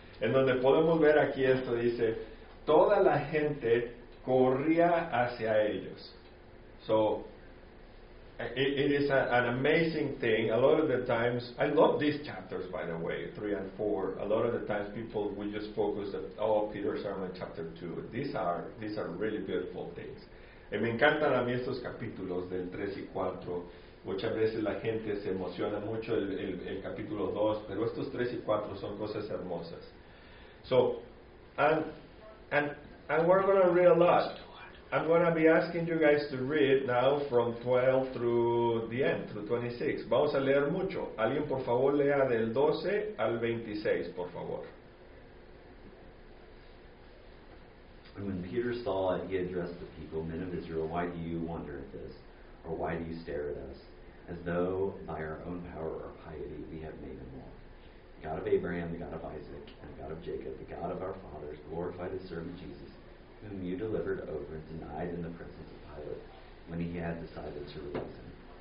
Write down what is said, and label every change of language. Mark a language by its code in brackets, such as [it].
[es] En donde podemos ver aquí esto, dice, toda la gente corría hacia ellos. [en] So, it is an amazing thing. A lot of the times, I love these chapters, by the way, 3 and 4. A lot of the times people will just focus on, oh, Peter's sermon, chapter 2. These are really beautiful things. [es] Y me encantan a mí estos capítulos del 3 y 4. Muchas veces la gente se emociona mucho el capítulo 2, pero estos 3 y 4 son cosas hermosas. [en] So, and we're going to read a lot. I'm going to be asking you guys to read now from 12 through the end, through 26. [es] Vamos a leer mucho. Alguien, por favor, lea del 12 al 26, por favor. [en] And when Peter saw it, he addressed the people, men of Israel, why do you wonder at this? Or why do you stare at us? As though by our own power or piety we have made them walk. The God of Abraham, the God of Isaac, and the God of Jacob, the God of our fathers, glorified his servant Jesus, whom you delivered over and denied in the presence of Pilate when he had decided to release him.